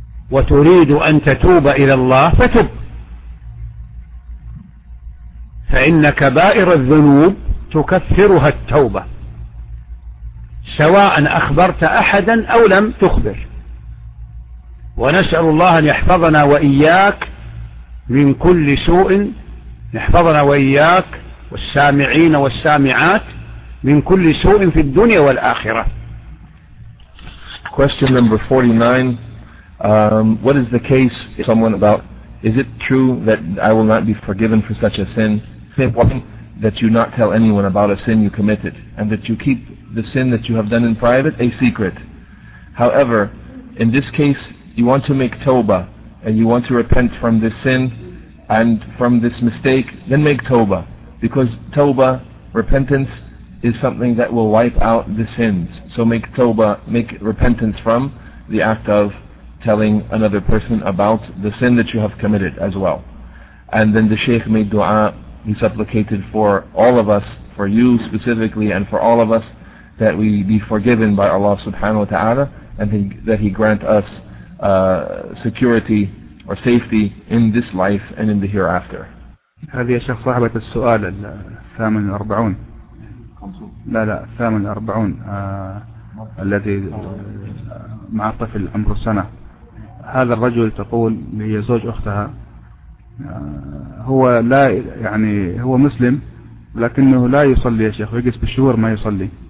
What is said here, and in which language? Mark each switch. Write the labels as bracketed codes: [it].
[ar] وتريد أن تتوب إلى الله فتب، فإن كبائر الذنوب تكفرها التوبة سواء أخبرت أحدا أو لم تخبر. ونسأل الله أن يحفظنا وإياك من كل سوء، يحفظنا وإياك والسامعين والسامعات من كل سوء في الدنيا والآخرة. [en] Question number 49. What is the case if someone about, is it true that I will not be forgiven for such a sin? That you not tell anyone about a sin you committed, and that you keep the sin that you have done in private a secret. However, in this case, you want to make tawbah, and you want to repent from this sin and from this mistake, then make tawbah, because tawbah, repentance, is something that will wipe out the sins. So make tawbah, make repentance from the act of telling another person about the sin that you have committed as well. And then the Shaykh made dua. He supplicated for all of us, for you specifically, and for all of us, that we be forgiven by Allah subhanahu wa ta'ala, and that he grant us security or safety in this life and in the hereafter. [ar] هذه شخص صاحبة السؤال ال 48. لا لا 48 الذي مع طفل عمره سنة. هذا الرجل تقول هي زوج أختها. هو لا يعني هو مسلم لكنه لا يصلي يا شيخ, يجلس بالشهور ما يصلي.